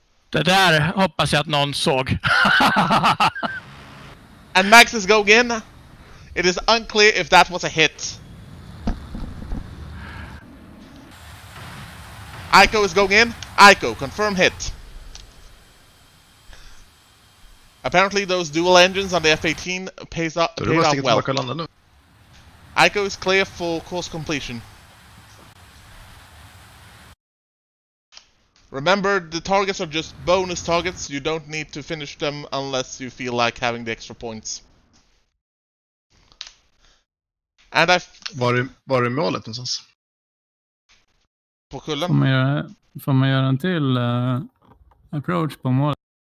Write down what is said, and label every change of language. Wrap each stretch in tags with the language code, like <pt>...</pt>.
<sv>Det där hoppas jag att någon såg.</sv> <en>And Max is going in. It is unclear if that was a hit. Aiko is going in. Aiko, confirm hit. Apparently those dual engines on the F-18 paid off well. Aiko is clear for course completion. Remember, the targets are just bonus targets. You don't need to finish them unless you feel like having the extra points. And I...</en> <sv>Var är målet någonstans? På kullen? Får man göra en till approach på målet?</sv>